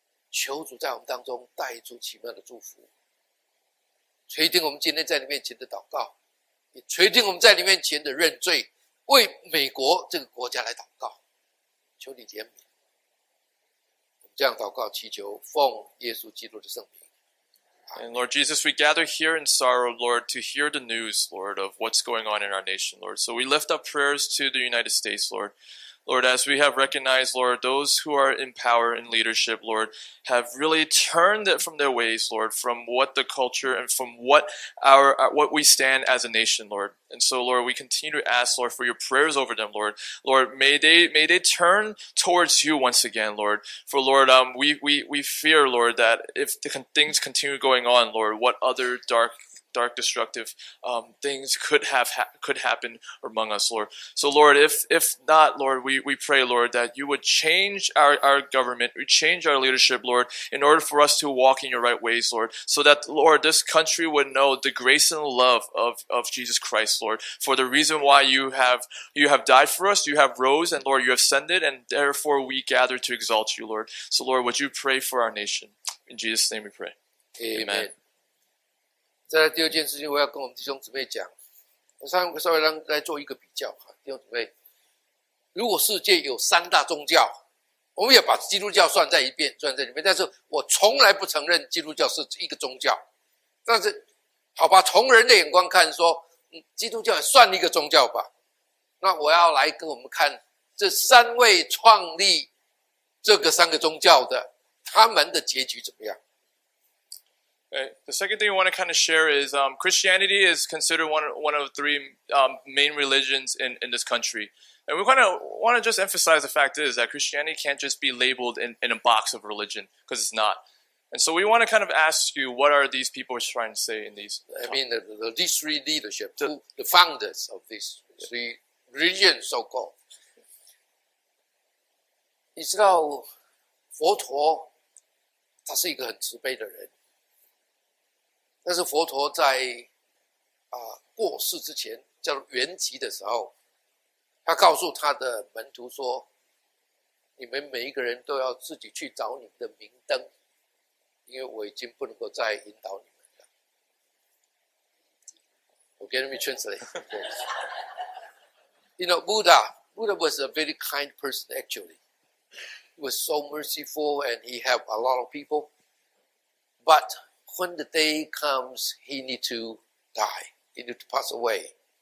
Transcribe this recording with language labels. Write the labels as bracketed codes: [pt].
[zh] 求主在我们当中带出奇妙的祝福，垂听我们今天在你面前的祷告，也垂听我们在你面前的认罪，为美国这个国家来祷告，求你怜悯。我们这样祷告祈求，奉耶稣基督的圣名。 [en] And Lord Jesus, we gather here in sorrow, Lord, to hear the news, Lord, of what's going on in our nation, Lord. So we lift up prayers to the United States, Lord. Lord, as we have recognized, Lord, those who are in power and leadership, Lord, have really turned it from their ways, Lord, from what the culture and from what we stand as a nation, Lord. And so, Lord, we continue to ask, Lord, for your prayers over them, Lord. Lord, may they turn towards you once again, Lord. For Lord, we fear, Lord, that if things continue going on, Lord, what other dark, destructive things could happen among us, Lord. So, Lord, if not, Lord, we pray, Lord, that you would change our government, change our leadership, Lord, in order for us to walk in your right ways, Lord, so that, Lord, this country would know the grace and love of Jesus Christ, Lord, for the reason why you have died for us, you have rose, and, Lord, you have ascended, and therefore we gather to exalt you, Lord. So, Lord, would you pray for our nation? In Jesus' name we pray. Amen. Amen. [zh] 再来第二件事情，我要跟我们弟兄姊妹讲，我稍微让来做一个比较哈，弟兄姊妹，如果世界有三大宗教，我们也把基督教算在里面，但是我从来不承认基督教是一个宗教，但是好吧，从人的眼光看说，基督教也算一个宗教吧。那我要来给我们看这三位创立这个三个宗教的他们的结局怎么样。 [en] The second thing we want to kind of share is Christianity is considered one of three main religions in this country. And we kind of want to just emphasize the fact is that Christianity can't just be labeled in a box of religion, because it's not. And so we want to kind of ask you, what are these people trying to say in these? I mean, these three leadership, the founders of these three religions, so-called. [zh] 你知道佛陀他是一个很慈悲的人，但是佛陀在过世之前叫圆寂的时候，他告诉他的门徒说，你们每一个人都要自己去找你们的明灯，因为我已经不能够再引导你们了。 [en] Okay, let me translate. You know, Buddha was a very kind person actually. He was so merciful and he helped a lot of people. ButWhen the day comes, he need to die. He need to pass away.